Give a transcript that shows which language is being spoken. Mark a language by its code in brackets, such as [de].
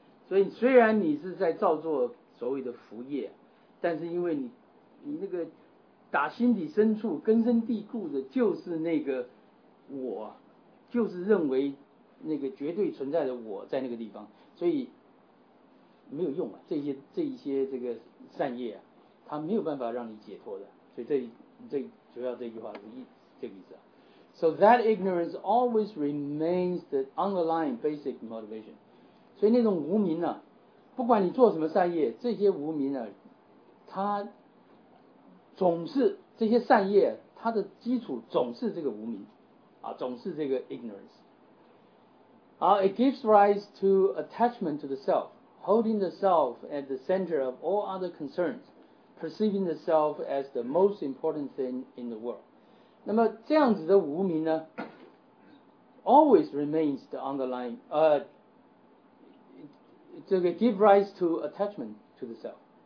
[zh] 所以虽然你是在造作所谓的福业，但是因为你那个打心底深处根深蒂固的就是那个我，就是认为那个绝对存在的我在那个地方，所以没有用啊，这一些这个善业啊，它没有办法让你解脱的。所以这主要这句话是这个意思啊。 [en] So that ignorance always remains the underlying basic motivation. [zh] 所以那种无明啊，不管你做什么善业，这些无明啊，它总是这些善业，它的基础总是这个无明啊，总是这个 ignorance. [en] It gives rise to attachment to the self, holding the self at the center of all other concerns, perceiving the self as the most important thing in the world. [zh] 那么这样子的无明呢， [en] always remains the underlying, to give rise to attachment to the self.